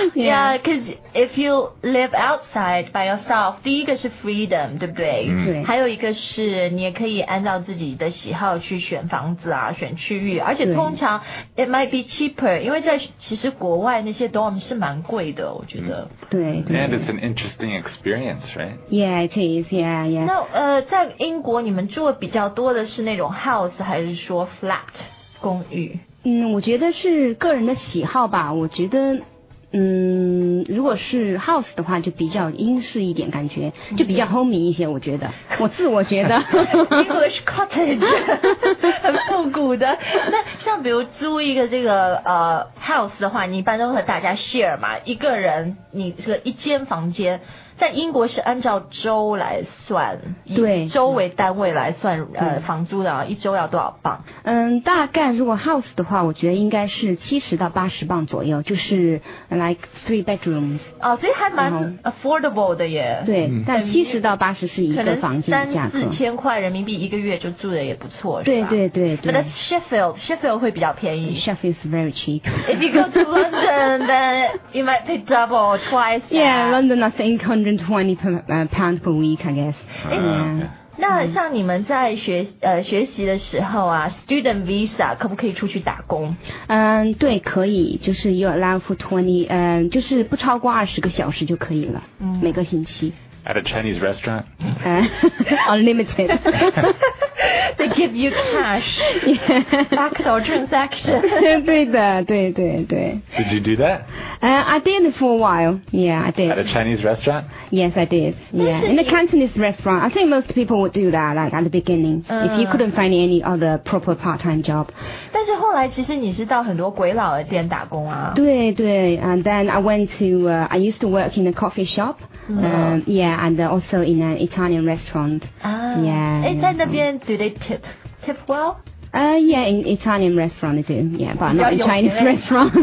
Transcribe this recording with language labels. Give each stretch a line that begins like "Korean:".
English: yeah because if you live outside by yourself，
Chinese: 第一个是 freedom 对不对、嗯、对，还有一个是你也可以按照自己的喜好去选房子啊，选区域，而且通常
English: it might be cheaper，
Chinese: 因为在其实国外那些 dorm 是蛮贵的，我觉得。对。对
English: And it's an interesting experience, right? Yeah, it is. Yeah, yeah.
Chinese: 那在英国你们住的比较多的是那种 house 还是说 flat 公寓？嗯，我觉得是个人的喜好吧。我觉得。嗯，如果是 house 的话就比较英式一点，感觉就比较 homey 一些，我觉得，我自我觉得
English: English cottage
Chinese: 很复古的。那像比如租一个这个house 的话，你一般都和大家 share 嘛，一个人你这一间房间，在英国是按照周来算，对，周为单位来算、嗯、房租的，一周要多少磅？嗯，大概如果 house 的话，我觉得应该是70到80磅左右，就是
English: like three bedrooms。
Chinese: 哦，所以还蛮 affordable 的耶。对，但70到80是一个房间的价格， 3-4千块人民币一个月就住的也不错，是吧？对对对对。
English: But that's Sheffield
Chinese: 会比较便宜。
English: Sheffield is very cheap. If you go to London, then you might pay double, twice. Yeah, London has income. £120 per week, I guess.
Chinese: 那像你们在学习的时候啊 ，student visa 可不可以出去打工？嗯，对，可以，就是
English: you're allowed for 20，
Chinese: 就是不超过20个小时就可以了，嗯、每个星期。
English: At a Chinese restaurant? Unlimited. They give you cash. Backdoor transaction.
Chinese: 对的，对对对。
English: Did you do that? I did for a while. Yeah, I did. At a Chinese restaurant? Yes, I did. Yeah, in a Cantonese restaurant. I think most people would do that, like at the beginning. If you couldn't find any other proper part-time job.
Chinese: 但是后来其实你是到很多鬼佬的店打工啊。
English: 对对 ，and then I went to, I used to work in a coffee shop. Yeah, and also in an Italian restaurant. Ah, yeah.
Chinese: 在那边
English: do they tip well? Yeah, in Italian restaurant I do. Yeah, but not in Chinese restaurant.